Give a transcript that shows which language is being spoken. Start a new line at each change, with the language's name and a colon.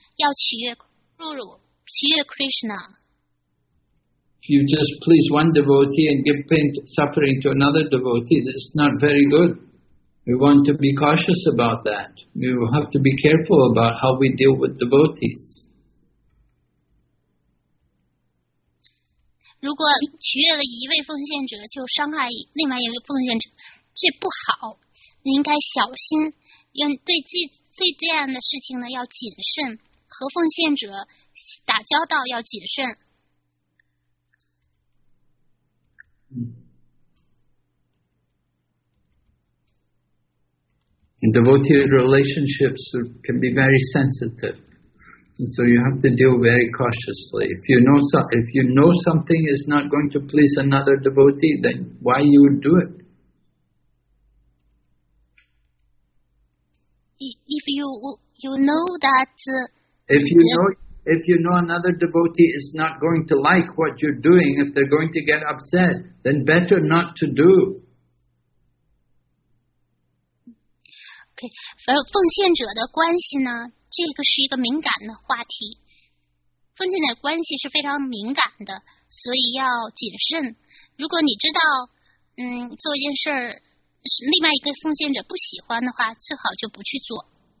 Chinese: 要取悦 Guru, 取悦 Krishna.
English: You just please one devotee and give pain to suffering to another devotee, that's not very good. We want to be cautious about that. We will have to be careful about how we deal with devotees.
Chinese: 如果取悦了一位奉献者就伤害另外一位奉献者，这不好，你应该小心，对这样的事情呢要谨慎，和奉献者打交道要谨慎。
English: And devotee relationships can be very sensitive, and so you have to deal very cautiously. If you know something is not going to please another devotee, then why you would do it? If you know another devotee is not going to like what you're doing, if they're going to get upset, then better not to do.
Chinese: Okay, 奉献者的关系呢，这个是一个敏感的话题。奉献者关系是非常敏感的，所以要谨慎。如果你知道，做一件事儿，另外一个奉献者不喜欢的话，最好就不去做。